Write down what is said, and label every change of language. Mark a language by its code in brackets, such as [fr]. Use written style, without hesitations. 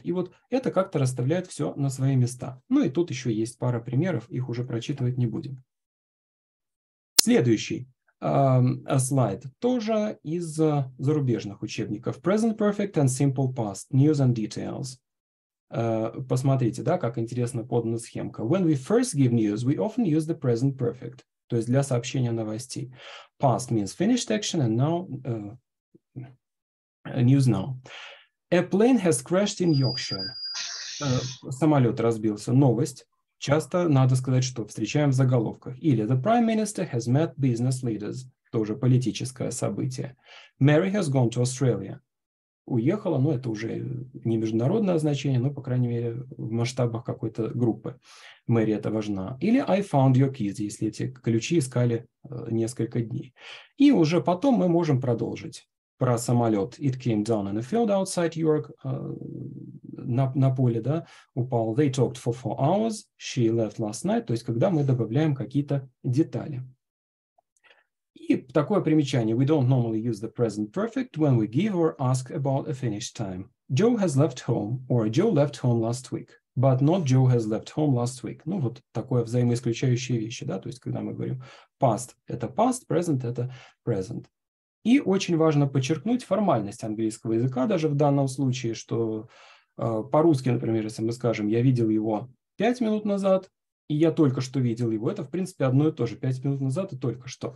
[ru] И вот это как-то расставляет все на свои места. Ну, и тут еще есть пара примеров, их уже прочитывать не будем. Следующий слайд тоже из зарубежных учебников. [en] Present perfect and simple past. News and details. [ru] Посмотрите, да, как интересно подана схемка. [en] When we first give news, we often use the present perfect. [ru] То есть для сообщения новостей. [en] Past means finished action and now news now. A plane has crashed in Yorkshire. [ru] Самолет разбился. Новость. Часто надо сказать, что встречаем в заголовках. [en] Или the prime minister has met business leaders. [ru] Тоже политическое событие. [en] Mary has gone to Australia. [ru] Уехала, но это уже не международное значение, но, по крайней мере, в масштабах какой-то группы. Mary это важна. Или [en] I found your keys, [ru] если эти ключи искали несколько дней. И уже потом мы можем продолжить про самолет. [en] It came down in a field outside York. [ru] На поле, да, упал. [en] They talked for 4 hours. She left last night. [ru] То есть, когда мы добавляем какие-то детали. И такое примечание. [en] We don't normally use the present perfect when we give or ask about a finished time. Joe has left home or Joe left home last week. But not Joe has left home last week. [ru] Ну, вот такое взаимоисключающие вещи, да. То есть, когда мы говорим past – это past, present – это present. И очень важно подчеркнуть формальность английского языка, даже в данном случае, что по-русски, например, если мы скажем, я видел его 5 минут назад, и я только что видел его, это, в принципе, одно и то же, 5 минут назад и только что.